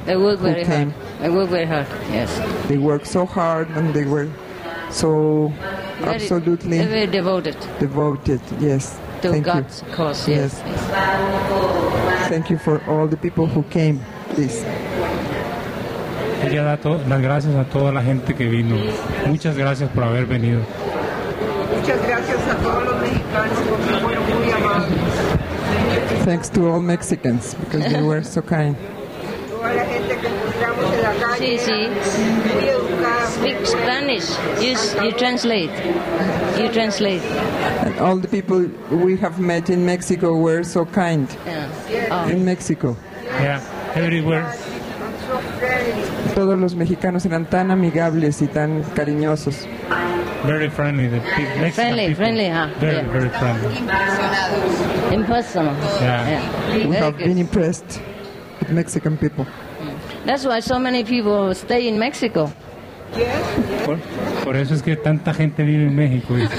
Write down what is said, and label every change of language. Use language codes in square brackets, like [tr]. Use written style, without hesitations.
[en] They work very hard. They work very hard. Yes. They work so hard and they were so absolutely very devoted. Devoted, yes. To God's cause, yes. Thank you for all the people who came. Please. [es] Ella da las gracias a toda la gente que vino. Muchas gracias por haber venido. Muchas gracias a todos los mexicanos porque fueron muy amables. [en] Thanks to all Mexicans because they were so kind. [es] Toda la gente que encontramos en la calle. Sí, sí. [en] Speak Spanish. You translate. You translate. And all the people we have met in Mexico were so kind. Yeah. Oh. In Mexico. Yeah, everywhere. [es] Todos los mexicanos eran tan amigables y tan cariñosos. [en] Very friendly, the Mexican people. Friendly, huh? Very, yeah. Very friendly. Impersonal. Yeah. We very have good. Been impressed with Mexican people. That's why so many people stay in Mexico. [es] Por eso es que tanta gente vive en México.